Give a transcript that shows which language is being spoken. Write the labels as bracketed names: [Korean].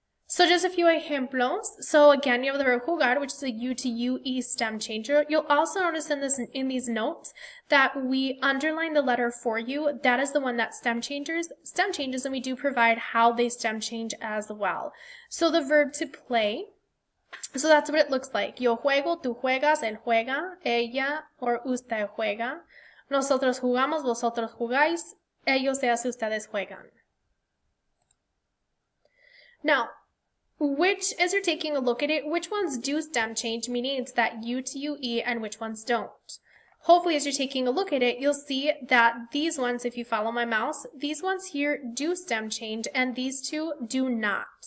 [English] So just a few ejemplos. So again, you have the verb jugar, which is a U to UE stem changer. You'll also notice in these notes that we underline the letter for you. That is the one that stem changes, and we do provide how they stem change as well. So the verb to play. So that's what it looks like. [Spanish] Yo juego, tú juegas, él juega, ella or usted juega. Nosotros jugamos, vosotros jugáis, ellos y ustedes juegan. [English] Now, which, as you're taking a look at it, which ones do stem change, meaning it's that U to UE, and which ones don't? Hopefully, as you're taking a look at it, you'll see that these ones, if you follow my mouse, these ones here do stem change, and these two do not.